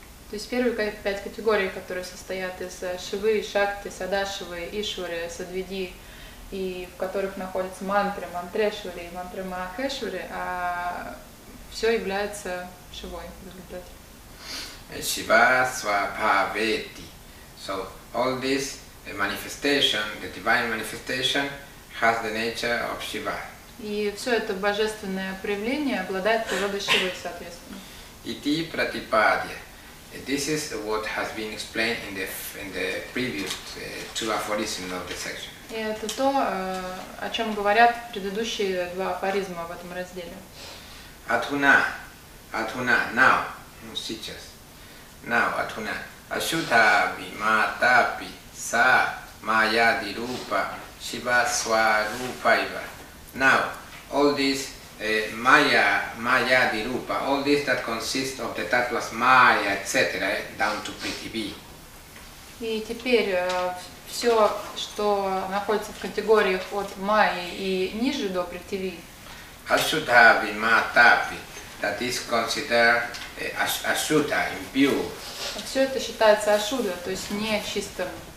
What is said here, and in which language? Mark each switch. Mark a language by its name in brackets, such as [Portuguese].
[Russian] То есть первые пять категорий, которые состоят из Шивы, Шакти, Садашивы, Ишвары, Садвиди, и в которых находятся мантры, мантрешвары и мантры махешвары, а все является Шивой в результате. [Sanskrit] Шива свабхавети. [English] So all this manifestation, the divine manifestation, has the nature of Shiva. [Russian] И все это божественное проявление обладает природой Шивы, соответственно. [Sanskrit] Iti pratipadya. [English] This is what has been explained in the previous two aphorisms of the section. [Russian] И это то, о чем говорят предыдущие два афоризма в этом разделе. [English] Adhuna. Now. [Russian] Сейчас. [English] Now. Adhuna. [Sanskrit] Ashutavi matapi sa mayadi rupa shiva sva rupaiva. [English] Now, all this Maya Dirupa, all this that consists of the tattvas Maya, etc., down to Prithivi. [Russian] И теперь все, что находится в категориях от Майи и ниже до Prithivi. [English] Ashutavi Matapi, that is considered Ashuta, impure. [Russian] Все это считается Ashuta, то есть не чистым.